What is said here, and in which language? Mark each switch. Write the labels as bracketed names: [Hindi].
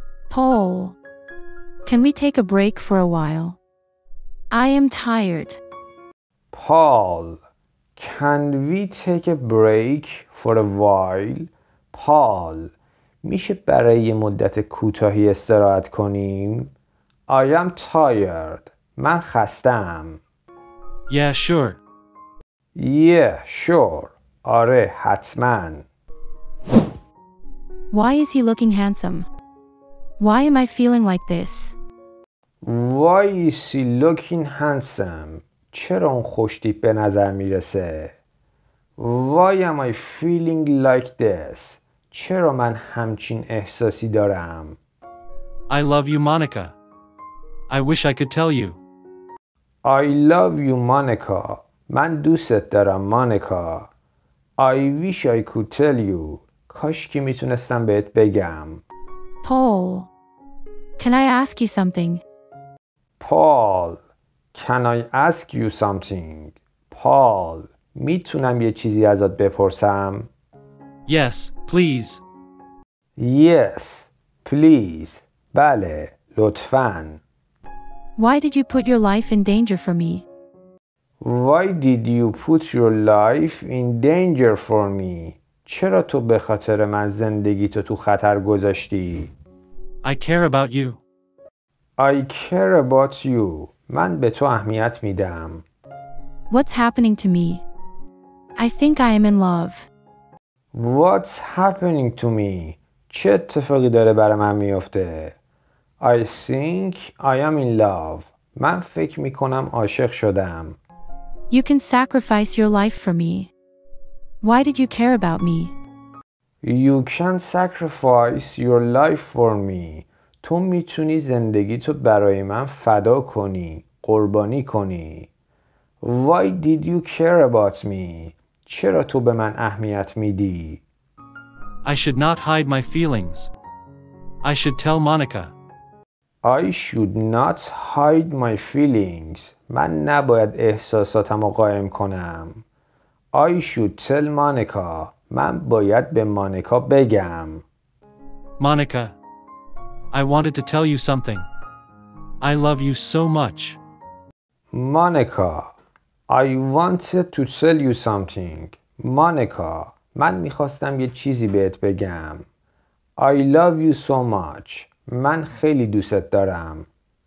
[English] Paul, can we take a break for a while? I am tired. Paul, can we take a break for a while? [Persian] Paul, میشه برای یه مدت کوتاهی استراحت کنیم؟ [English] I am tired. [Persian] من خستم. [English] Yeah, sure. Yeah, sure. [Persian] آره، حتماً. [English] Why is he looking handsome? Why am I feeling like this? Why is he looking handsome? [Persian] چرا اون خوشتیپ به نظر میرسه؟ [English] Why am I feeling like this? [Persian] چرا من همچین احساسی دارم؟ [English] I love you, Monica. I wish I could tell you. I love you, Monica. [Persian] من دوستت دارم، مانیکا. [English] I wish I could tell you. [Persian] کاش که میتونستم بهت بگم. [English] Paul, can I ask you something? Paul, can I ask you something? [Persian] Paul, میتونم یه چیزی ازت بپرسم؟ [English] Yes, please. Yes, please. [Persian] بله، لطفاً. [English] Why did you put your life in danger for me? Why did you put your life in danger for me? [Persian] چرا تو به خاطر من زندگی تو خطر گذاشتی؟ [English] I care about you. I care about you. [Persian] من به تو اهمیت میدم. [English] What's happening to me? I think I am in love. What's happening to me? [Persian] چه اتفاقی داره برای من میفته؟ [English] I think I am in love. [Persian] من فکر میکنم عاشق شدم. [English] You can sacrifice your life for me. Why did you care about me? You can sacrifice your life for me. [Persian] تو میتونی زندگیتو برای من فدا کنی، قربانی کنی. [English] Why did you care about me? [Persian] چرا تو به من اهمیت میدی؟ [English] I should not hide my feelings. I should tell Monica. I should not hide my feelings. [Persian] من نباید احساساتمو قایم کنم. [English] I should tell Monica. [Persian] من باید به مانیکا بگم. [English] Monica, I wanted to tell you something. I love you so much. Monica, I wanted to tell you something. [Persian] Monica, من میخواستم یه چیزی بهت بگم. [English] I love you so much. [Persian] من خیلی دوستت دارم.